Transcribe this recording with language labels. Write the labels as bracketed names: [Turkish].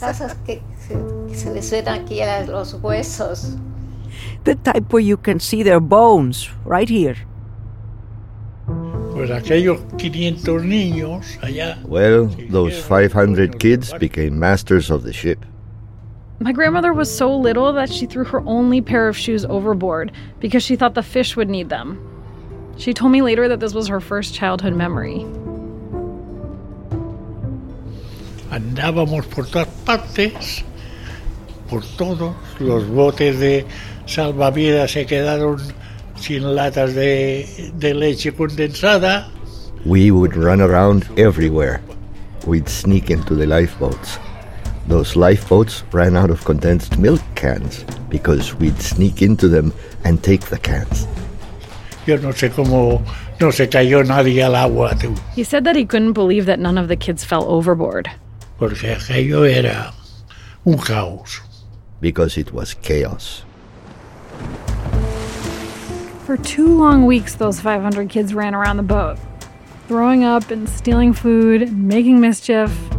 [Spanish] Esas que se les ven aquí los huesos. [English] The type where you can see their bones, right here. [Spanish] Pues aquellos 500 niños allá. [English] Well, those 500 kids became masters of the ship. My grandmother was so little that she threw her only pair of shoes overboard because she thought the fish would need them. She told me later that this was her first childhood memory. [Spanish] Andábamos por todas partes, por todos los botes de salvavidas se quedaron sin latas de leche condensada. [English] We would run around everywhere. We'd sneak into the lifeboats. Those lifeboats ran out of condensed milk cans because we'd sneak into them and take the cans. [Spanish] Yo no sé cómo no se cayó nadie al agua, tú. [English] He said that he couldn't believe that none of the kids fell overboard. [Spanish] Porque aquello era un caos. [English] Because it was chaos. For two long weeks, those 500 kids ran around the boat, throwing up and stealing food, making mischief.